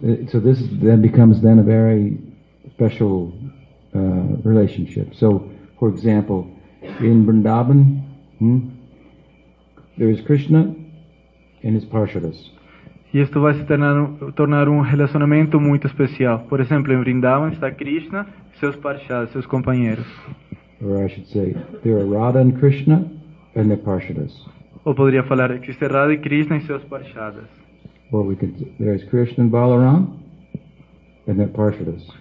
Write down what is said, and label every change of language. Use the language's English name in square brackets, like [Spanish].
[English] So this then becomes then a very special relationship. So, for example, in Vrindavan, there is Krishna. And his parshadas. [Portuguese] E isto vai se tornar relacionamento muito especial. Por exemplo, em Vrindavan está Krishna e seus parshadas, seus companheiros. [English] Or I should say, there are Radha and Krishna and their parshadas. [Portuguese] Ou poderia falar, existe Radha e Krishna e seus parshadas. [English] Or we could, there is Krishna and Balaram and their parshadas.